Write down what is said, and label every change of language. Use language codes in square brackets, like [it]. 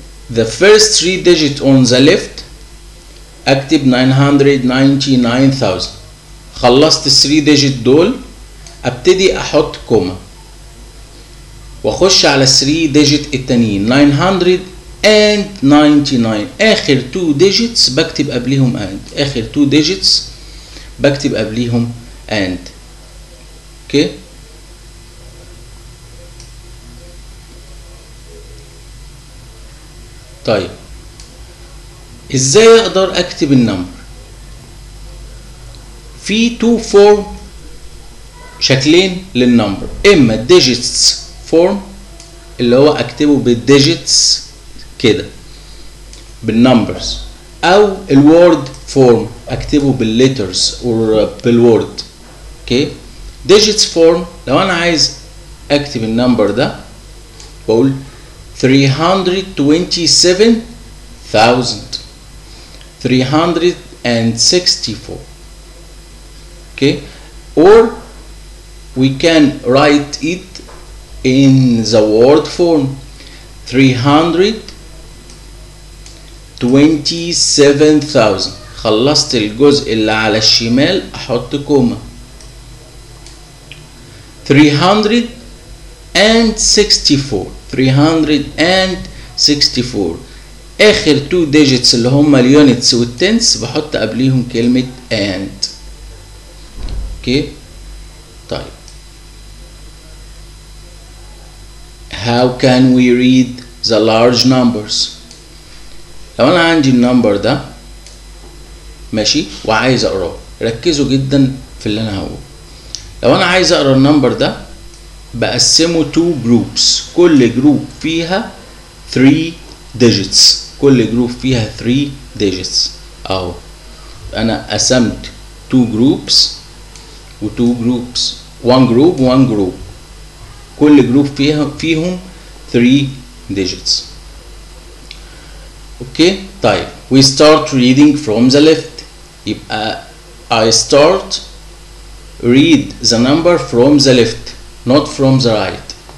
[en] The first three digit on the left اكتب 999,000. [ar] خلصت الثري ديجيت دول ابتدي احط كوما واخش على الثري ديجيت التانيين 999. اخر تو ديجيتس بكتب قبليهم اند، اخر تو ديجيتس بكتب قبليهم اند. اوكي، طيب ازاي اقدر اكتب النمبر؟ في 2 form، شكلين للنمبر، اما digits form اللي هو اكتبه بالديجيتس كده بالنمبرز، او الword form اكتبه بالليترز or بالword. اوكي، digits form لو انا عايز اكتب النمبر ده بقول 327,364. [en] Okay, or we can write it in the word form 327,000. [ar] خلصت الجزء اللي على الشمال احط كوما 364. اخر 2 digits اللي هما اليونتس والتنس بحط قبليهم كلمة and. اوكي. طيب [en] how can we read the large numbers؟ [ar] لو انا عندي النمبر ده ماشي وعايز اقراه، ركزوا جدا في اللي انا هقوله. لو انا عايز اقرا النمبر ده بقسمه two groups، كل جروب فيها three digits، كل جروب فيها three digits. اهو انا قسمت two groups و two groups، one group one group، كل جروب فيهم three digits. اوكي طيب [en] we start reading from the left، يبقى I start read the number from the left not from the right.